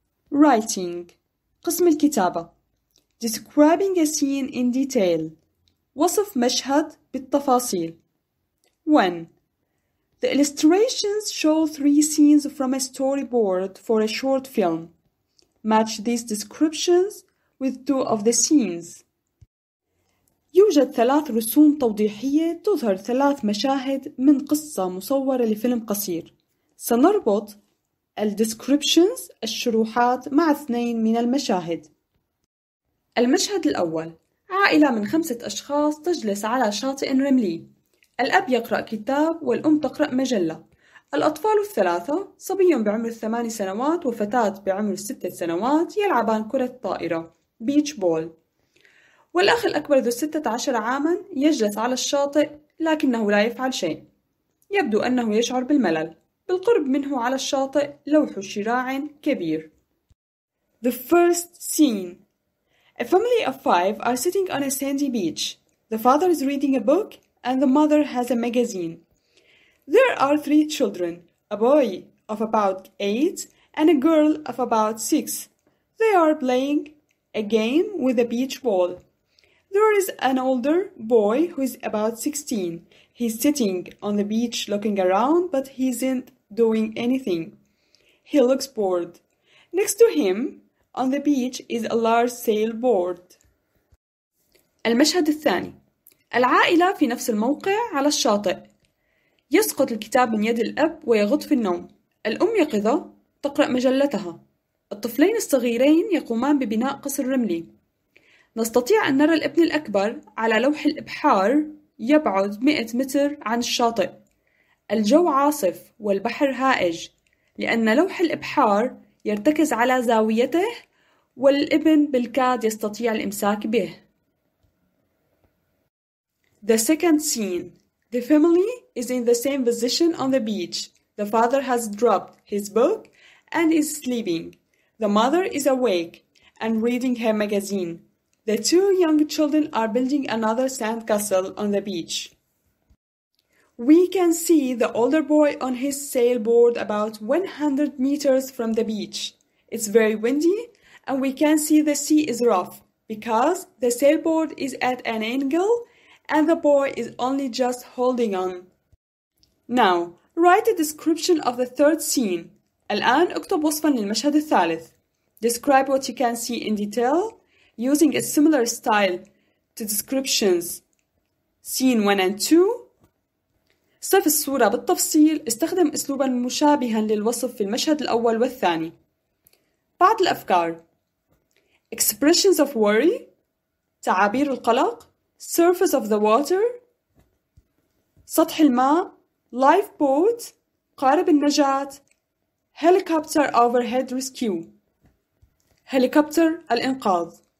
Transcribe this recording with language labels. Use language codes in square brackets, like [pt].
[en] Writing [ar] قسم الكتابة: [en] Describing a scene in detail. [ar] وصف مشهد بالتفاصيل. 1. [en] The illustrations show three scenes from a storyboard for a short film. Match these descriptions with two of the scenes. [ar] يوجد ثلاث رسوم توضيحية تظهر ثلاث مشاهد من قصة مصورة لفيلم قصير. سنربط الديسكريبشنز الشروحات مع اثنين من المشاهد. المشهد الأول: عائلة من خمسة أشخاص تجلس على شاطئ رملي. الأب يقرأ كتاب والأم تقرأ مجلة. الأطفال الثلاثة، صبي بعمر 8 سنوات وفتاة بعمر 6 سنوات، يلعبان كرة طائرة بيتش بول. والأخ الأكبر ذو 16 عاماً يجلس على الشاطئ لكنه لا يفعل شيء. يبدو أنه يشعر بالملل. بالقرب منه على الشاطئ لوح شراع كبير. [en] The first scene. A family of five are sitting on a sandy beach. The father is reading a book and the mother has a magazine. There are three children, a boy of about 8 and a girl of about 6. They are playing a game with a beach ball. There is an older boy who is about 16. He's sitting on the beach looking around, but he isn't doing anything. He looks bored. Next to him, on the beach, is a large sailboard. [ar] المشهد الثاني: العائلة في نفس الموقع على الشاطئ. يسقط الكتاب من يد الأب ويغط في النوم. الأم يقظة تقرأ مجلتها. الطفلين الصغيرين يقومان ببناء قصر رملي. نستطيع أن نرى الابن الأكبر على لوح الإبحار يبعد 100 متر عن الشاطئ. الجو عاصف والبحر هائج لأن لوح الإبحار يرتكز على زاويته والابن بالكاد يستطيع الإمساك به. [en] The second scene. The family is in the same position on the beach. The father has dropped his book and is sleeping. The mother is awake and reading her magazine. The two young children are building another sandcastle on the beach. We can see the older boy on his sailboard about 100 meters from the beach. It's very windy and we can see the sea is rough because the sailboard is at an angle and the boy is only just holding on. Now, write a description of the third scene. [ar] الآن اكتب وصفا للمشهد الثالث. [en] Describe what you can see in detail. Using a similar style to descriptions, scene 1 and 2. [ar] صف الصورة بالتفصيل. استخدم أسلوباً مشابهاً للوصف في المشهد الأول والثاني. بعض الأفكار: [en] expressions of worry, [ar] تعابير القلق, [en] surface of the water, [ar] سطح الماء, [en] life boat, [ar] قارب النجاة, [en] helicopter overhead rescue, [ar] هليكوبتر الإنقاذ.